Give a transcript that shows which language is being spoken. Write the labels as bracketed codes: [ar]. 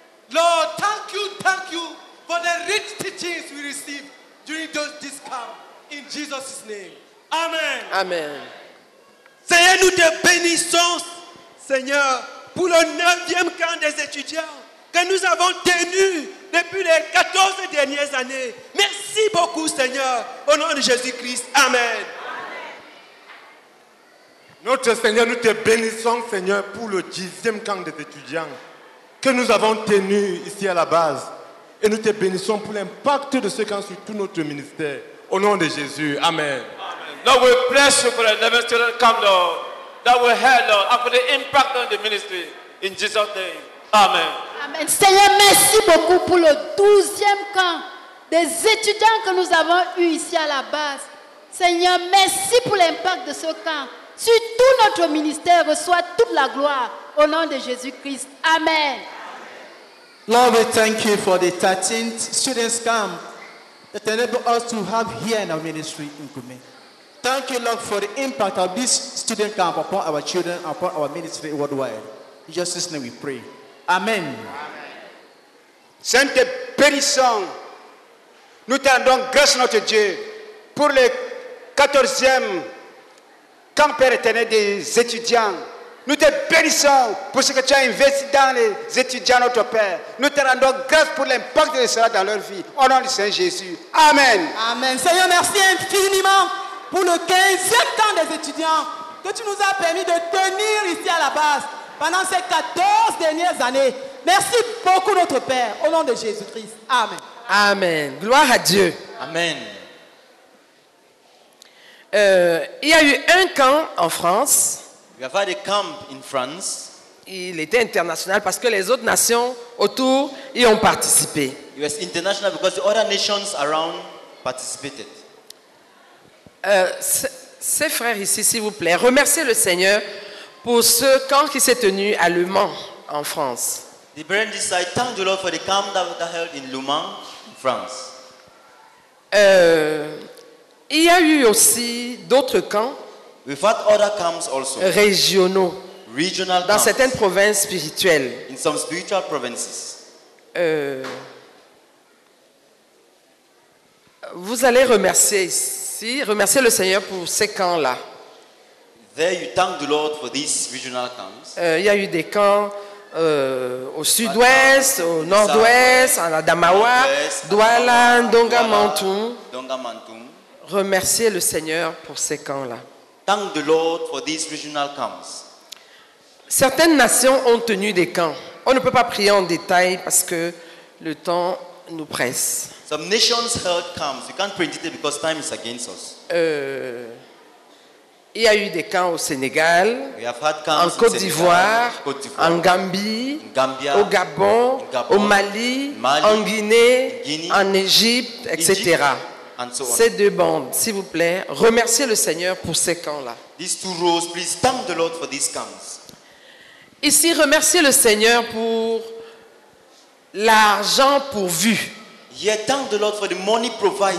[en] Lord, thank you for the rich teachings we received during this camp. In Jesus' name. Amen. Amen. [fr] Seigneur, nous te bénissons, Seigneur, pour le 9e camp des étudiants que nous avons tenu depuis les 14 dernières années. Merci beaucoup, Seigneur, au nom de Jésus-Christ. Amen. Notre Seigneur, nous te bénissons, Seigneur, pour le 10e camp des étudiants que nous avons tenu ici à la base. Et nous te bénissons pour l'impact de ce camp sur tout notre ministère. Au nom de Jésus. Amen. Amen. [en] Lord, we bless you for the 11th student camp, Lord, that we had, Lord, and for the impact on the ministry. In Jesus' name. Amen. Amen. [fr] Seigneur, merci beaucoup pour le 12e camp des étudiants que nous avons eu ici à la base. Seigneur, merci pour l'impact de ce camp. Sur tout notre ministère, reçoit toute la gloire au nom de Jésus-Christ. Amen. [en] Lord, we thank you for the 13th students camp that enabled us to have here in our ministry in Kume. Thank you, Lord, for the impact of this student camp upon our children, upon our ministry worldwide. In Jesus' name we pray. Amen. Amen. [fr] Sainte bénissons, nous te rendons grâce notre Dieu pour le 14e camp, Père éternel, des étudiants. Nous te bénissons pour ce que tu as investi dans les étudiants, notre Père. Nous te rendons grâce pour l'impact de cela dans leur vie. Au nom du Saint Jésus. Amen. Amen. Seigneur, merci infiniment pour le 15e camp des étudiants que tu nous as permis de tenir ici à la base pendant ces 14 dernières années. Merci beaucoup, notre Père. Au nom de Jésus-Christ. Amen. Amen. Gloire à Dieu. Amen. Il y a eu un camp en France. [en] We have had a camp in France. [fr] Il était international parce que les autres nations autour y ont participé. [en] It was international because the other nations around participated. [fr] Ces frères ici, s'il vous plaît, remerciez le Seigneur pour ce camp qui s'est tenu à Le Mans en France. [en] The brethren this side, thank the Lord for the camp that was held in Le Mans, in France. [fr] Il y a eu aussi d'autres camps. [en] We've had other camps also, [fr] régionaux, [en] regional camps, [fr] dans certaines provinces spirituelles. [en] In some spiritual provinces. [fr] Vous allez remercier ici, remercier le Seigneur pour ces camps-là. [en] There you thank the Lord for these regional camps. [fr] Il y a eu des camps au sud-ouest, au nord-ouest, à Adamawa, Douala, Dongamantoum. Remercier le Seigneur pour ces camps-là. [en] Thank the Lord for these regional camps. [fr] Certaines nations ont tenu des camps. On ne peut pas prier en détail parce que le temps nous presse. [en] Some nations held camps. We can't pray in detail because time is against us. [fr] Il y a eu des camps au Sénégal, [en] we have had camps [fr] en Côte d'Ivoire, Sénégal, Côte d'Ivoire, en Gambie, [en] in Gambia, [fr] au Gabon, [en] in Gabon, [fr] au Mali, Mali, en Guinée, Guinée, en Égypte, etc. [en] so on. [fr] Ces deux bandes, s'il vous plaît, remerciez le Seigneur pour ces camps-là. [en] These two rows, please thank the Lord for these camps. [fr] Ici, remerciez le Seigneur pour l'argent pourvu. [en] Yeah, thank the Lord for the money provided.